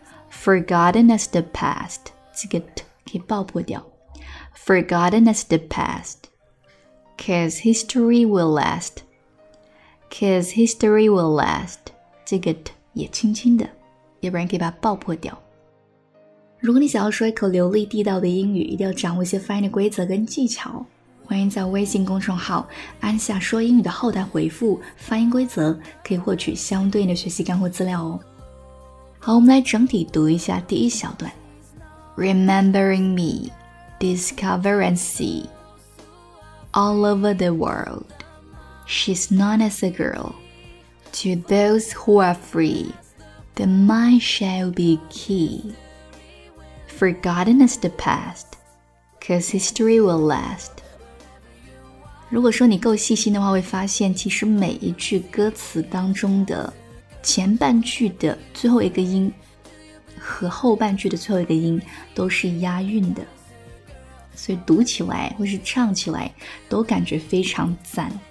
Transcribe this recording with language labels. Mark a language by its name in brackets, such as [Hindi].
[English] Forgotten as the past, [Chinese] 这个 t 可以爆破掉. [English] Forgotten as the past, 'cause history will last. 'Cause history will last, [Chinese] 这个 t 也轻轻的。要不然可以把爆破掉。如果你想要说一口流利地道的英语，一定要掌握一些发音的规则跟技巧，欢迎在微信公众号安夏说英语的后台回复发音规则，可以获取相对应的学习干货资料哦。好，我们来整体读一下第一小段。 [English] Remembering me, discover and see. All over the world, she's known as a girl. To those who are freeThe mind shall be key. Forgotten is the past, 'cause history will last. [Chinese] 如果说你够细心的话，会发现其实每一句歌词当中的前半句的最后一个音和后半句的最后一个音都是押韵的，所以读起来或是唱起来都感觉非常赞。